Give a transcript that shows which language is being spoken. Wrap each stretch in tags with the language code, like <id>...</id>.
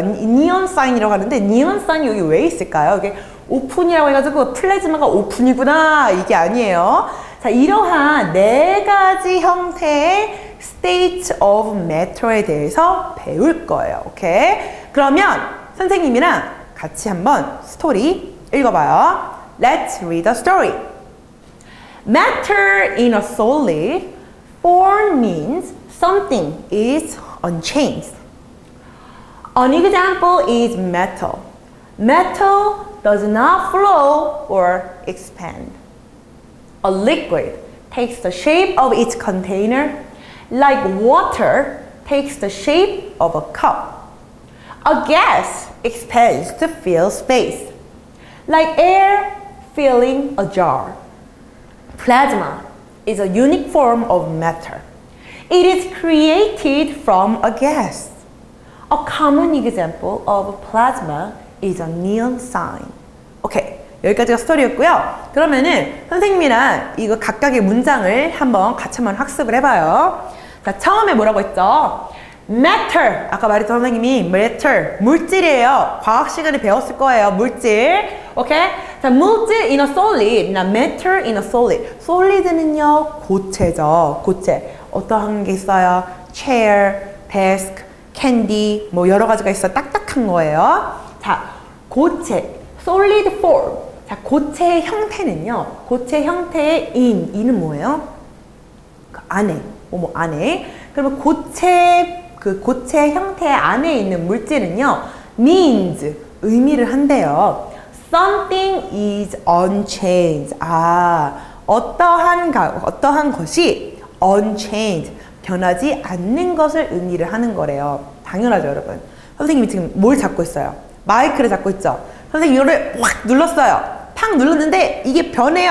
<ko>니온 사인이라고 하는데 니온 사인이 여기 왜 있을까요? 이게 오픈이라고 해가지고 플라즈마가 오픈이구나 이게 아니에요. 자, 이러한 네 가지 형태의</ko> <en>state of matter</en> <ko>에 대해서 배울 거예요. 오케이? 그러면 선생님이랑 같이 한번 스토리 읽어봐요.</ko> <en>Let's read the story. Matter in a solid form means something is unchanged. An example is metal. Metal does not flow or expand. A liquid takes the shape of its container, like water takes the shape of a cup. A gas expands to fill space, like air filling a jar. Plasma is a unique form of matter. It is created from a gas. A common example of plasma is a neon sign. Okay.</en> <ko>여기까지가 스토리였고요. 그러면은 선생님이랑 이거 각각의 문장을 한번 같이 한번 학습을 해봐요. 자, 처음에 뭐라고 했죠? Matter. 아까 말했던 선생님이 matter. 물질이에요. 과학 시간에 배웠을 거예요. 물질. 오케이? 자, 물질</ko> <en>in a solid.</en> <ko>나</ko> <en>matter in a solid.</en> <ko>Solid는요, 고체죠. 고체. 어떠한 게 있어요?</ko> <en>Chair, desk, candy.</en> <ko>뭐 여러 가지가 있어. 딱딱한 거예요. 자, 고체.</ko> <en>Solid form.</en> <ko>자, 고체의 형태는요. 고체 형태의 in. in은 뭐예요? 그 안에. 뭐 안에. 그러면 고체, 그 고체 형태 안에 있는 물질은요. means. 의미를 한대요.</ko> <en>Something is unchanged.</en> <ko>아, 어떠한 것이 unchanged. 변하지 않는 것을 의미를 하는 거래요. 당연하죠, 여러분. 선생님이 지금 뭘 잡고 있어요? 마이크를 잡고 있죠? 선생님 이거를 확 눌렀어요. 팍 눌렀는데 이게 변해요?</ko>